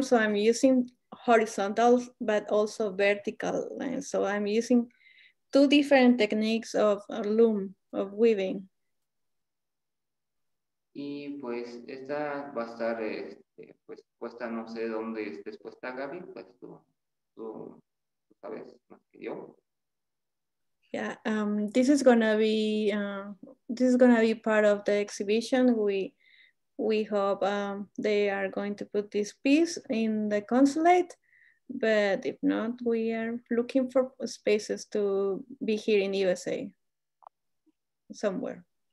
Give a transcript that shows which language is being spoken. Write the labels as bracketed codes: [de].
[en] So I'm using horizontal but also vertical. And so I'm using two different techniques of loom, of weaving. [es] Y pues esta va a estar pues puesta, no sé dónde es después está Gaby, pues tú sabes más que yo. [en] Yeah, this is gonna be part of the exhibition. We hope they are going to put this piece in the consulate, But if not, we are looking for spaces to be here in USA somewhere.